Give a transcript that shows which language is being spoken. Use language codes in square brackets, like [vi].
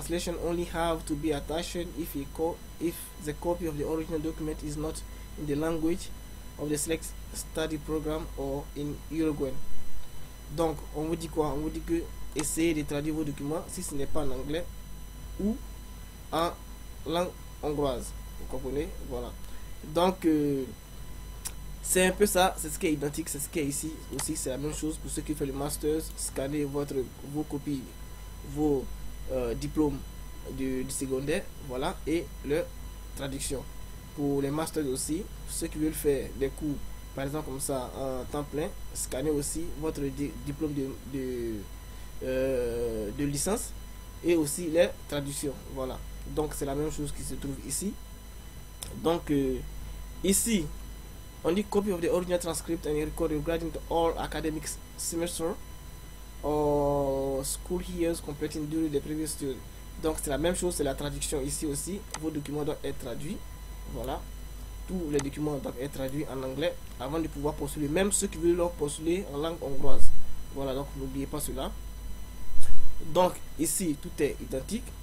[en] Translation only have to be attached if the copy of the original document is not in the language of the select study program or in Uruguayan. [fr] Donc on vous dit quoi? On vous dit que essayez de traduire vos documents si ce n'est pas en anglais ou en langue hongroise. Vous comprenez? Voilà. Donc c'est un peu ça, c'est ce qui est identique, c'est ce qui est ici aussi, c'est la même chose pour ceux qui font le master, scannez votre vos copies, vos diplômes du secondaire, voilà, et leur traduction. Pour les masters aussi, pour ceux qui veulent faire des cours, par exemple comme ça, en temps plein, scannez aussi votre diplôme de licence et aussi les traductions. Voilà. Donc c'est la même chose qui se trouve ici. Donc ici. On dit [en] copy of the original transcript and record regarding all academic semester or school years completing during the previous study. [fr] Donc c'est la même chose, c'est la traduction ici aussi. Vos documents doivent être traduits. Voilà. Tous les documents doivent être traduits en anglais avant de pouvoir postuler, même ceux qui veulent leur postuler en langue hongroise. Voilà, donc n'oubliez pas cela. Donc ici, tout est identique.